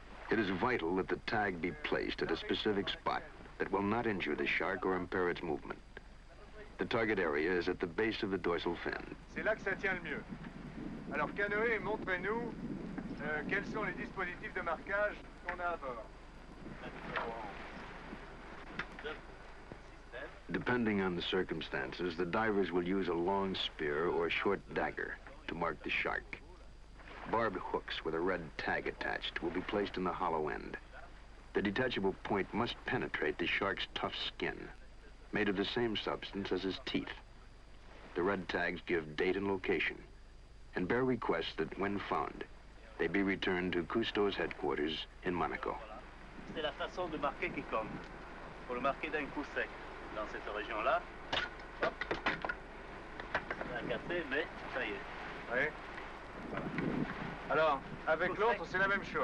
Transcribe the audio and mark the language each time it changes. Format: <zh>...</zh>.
<en>It is vital that the tag be placed at a specific spot that will not injure the shark or impair its movement. The target area is at the base of the dorsal fin.</en> <fr>C'est là que ça tient le mieux. Alors Canoë, montrez-nous quels sont les dispositifs de marquage qu'on a à bord.</fr> <en>Depending on the circumstances, the divers will use a long spear or a short dagger to mark the shark. Barbed hooks with a red tag attached will be placed in the hollow end. The detachable point must penetrate the shark's tough skin, made of the same substance as his teeth. The red tags give date and location, and bear requests that when found, they be returned to Cousteau's headquarters in Monaco.</en> <fr>C'est la façon de marquer qui compte. Pour le marquer d'un coup sec dans cette région-là. Hop. C'est un café, mais ça y est. Oui. Alors, avec coup l'autre, sec, c'est la même chose.</fr>